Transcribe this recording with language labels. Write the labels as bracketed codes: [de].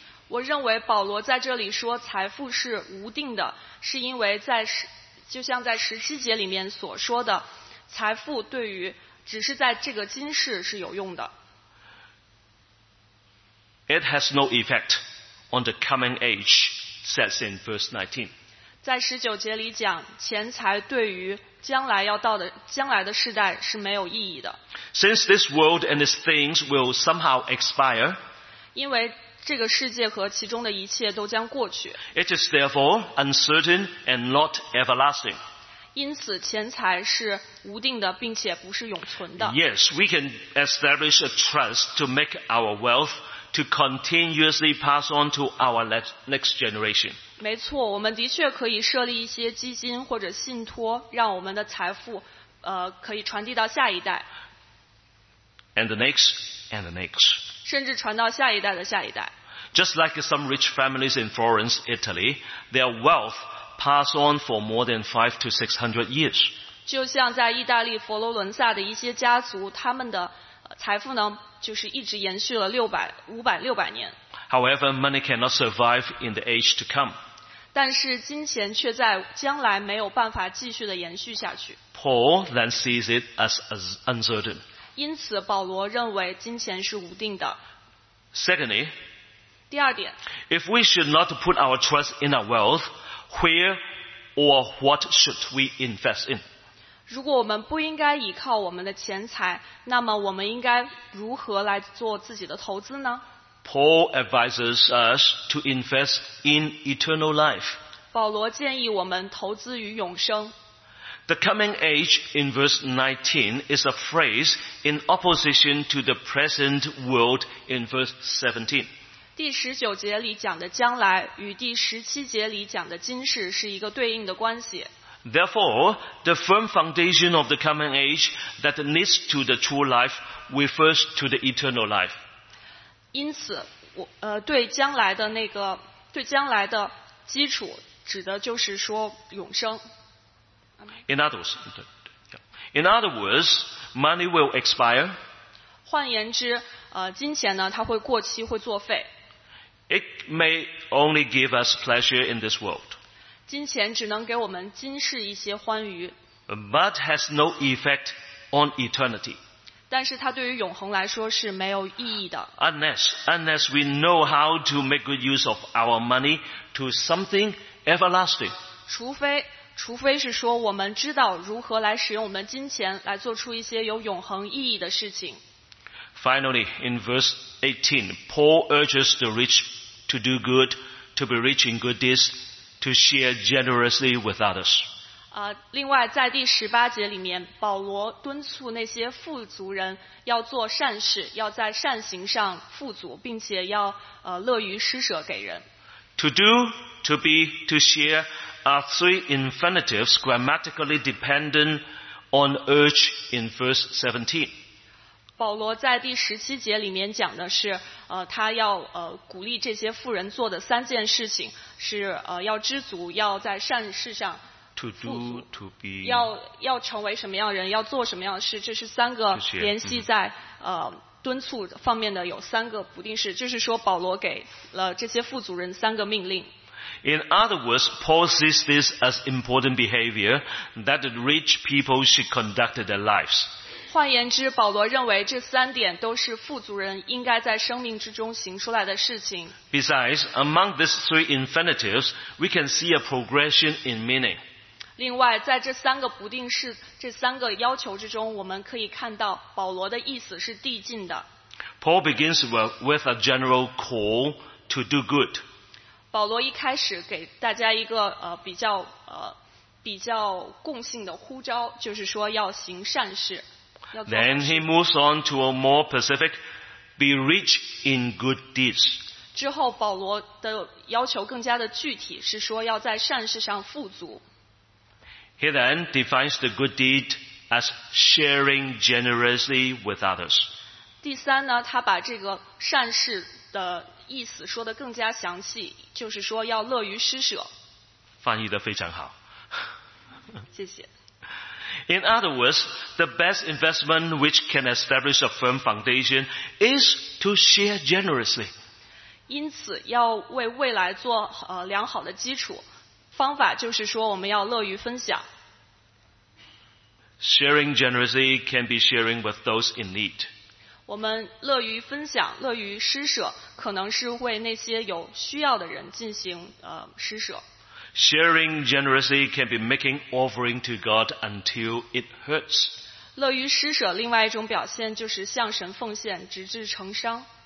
[zh] 我认为保罗在这里说财富是无定的，是因为在就像在十七节里面所说的，财富对于只是在这个今世是有用的。 [en] It has no effect on the coming age, says in verse 19. [zh] 在十九节里讲，钱财对于将来要到的将来的世代是没有意义的。 [en] Since this world and its things will somehow expire, [zh] 因为这个世界和其中的一切都将过去。 [en] It is therefore uncertain and not everlasting. [zh] 因此，钱财是无定的，并且不是永存的。 [en] Yes, we can establish a trust to make our wealth to continuously pass on to our next generation. [zh] 没错，我们的确可以设立一些基金或者信托，让我们的财富可以传递到下一代。 [en] And the next. [zh] 甚至传到下一代的下一代。 [en] Just like some rich families in Florence, Italy, their wealth passed on for more than 500 to 600 years. [zh] 就像在意大利佛罗伦萨的一些家族，他们的财富呢，就是一直延续了600年。 [en] However, money cannot survive in the age to come. [zh] 但是金钱却在将来没有办法继续的延续下去。 [en] Paul then sees it as uncertain. [zh] 因此保罗认为金钱是无定的。 [en] Secondly, [zh] 第二点， [en] If we should not put our trust in our wealth, where or what should we invest in? [zh] 如果我们不应该依靠我们的钱财，那么我们应该如何来做自己的投资呢？ [en] Paul advises us to invest in eternal life. [zh] 保罗建议我们投资于永生。 [en] The coming age in verse 19 is a phrase in opposition to the present world in verse 17. [zh] 第十九节里讲的将来与第十七节里讲的今世是一个对应的关系。 [en] Therefore, the firm foundation of the coming age that leads to the true life refers to the eternal life. [zh] 因此我对将来的那个对将来的基础指的就是说永生。 [en] In other words, money will expire. [zh] 换言之金钱呢它会过期会作废。 [en] It may only give us pleasure in this world. [zh] 金钱只能给我们今世一些欢愉。 [en] But has no effect on eternity. [zh] 但是它对于永恒来说是没有意义的。 [en] Unless we know how to make good use of our money to something everlasting. [zh] 除非是说我们知道如何来使用我们的金钱来做出一些有永恒意义的事情。 [en] Finally, in verse 18, Paul urges the rich to do good, to be rich in good deeds, to share generously with others. [zh] 另外在第十八节里面，保罗敦促那些富足人要做善事，要在善行上富足，并且要乐于施舍给人。 [en] To do, to be, to share are three infinitives grammatically dependent on urge in verse 17. [zh] 保罗在第十七节里面讲的是他要鼓励这些富人做的三件事情是要知足，要在善事上富足， [en] to do, to be, [zh] 要成为什么样的人，要做什么样的事，这是三个联系在敦促方面的，有三个不定式，就是说保罗给了这些富足人三个命令。 [en] In other words, Paul sees this as important behavior that rich people should conduct their lives. [zh] 换言之，保罗认为这三点都是富足人应该在生命之中行出来的事情。 [en] Besides, among these three infinitives, we can see a progression in meaning. [zh] 另外，在这三个不定式、这三个要求之中，我们可以看到保罗的意思是递进的。 [en] Paul begins with a general call to do good. [zh] 保罗一开始给大家一个比较共性的呼召，就是说要行善事。 [en] Then he moves on to a more specific, be rich in good deeds. [zh] 之后保罗的要求更加的具体，是说要在善事上富足。 [en] He then defines the good deed as sharing generously with others. [zh] 第三呢，他把这个善事的意思说得更加详细，就是说要乐于施舍。翻译得非常好。谢谢。 [en] In other words, the best investment which can establish a firm foundation is to share generously. [zh] 因此要为未来做良好的基础，方法就是说我们要乐于分享。 [en] Sharing generously can be sharing with those in need. [zh] 我们乐于分享，乐于施舍，可能是为那些有需要的人进行施舍。 [en] Sharing generously can be making offering to God until it hurts. [zh] 乐于施舍另外一种表现就是向神奉献直至成伤。